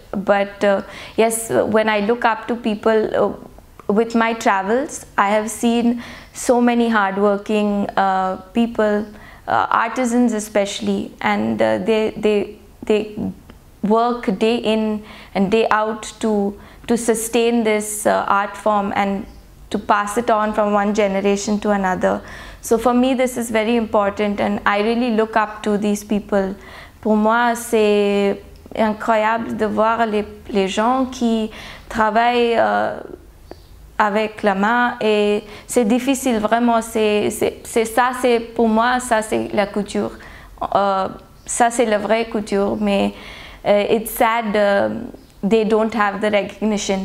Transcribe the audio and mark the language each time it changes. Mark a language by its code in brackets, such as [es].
[en] But yes, when I look up to people with my travels, I have seen so many hardworking people, artisans especially, and they work day in and day out to sustain this art form and to pass it on from one generation to another. So for me, this is very important, and I really look up to these people. [fr] Pour moi, c'est incroyable de voir les gens qui travaillent avec la main, et c'est difficile vraiment. C'est pour moi, ça c'est la couture. Ça c'est la vraie couture, mais [en] it's sad they don't have the recognition.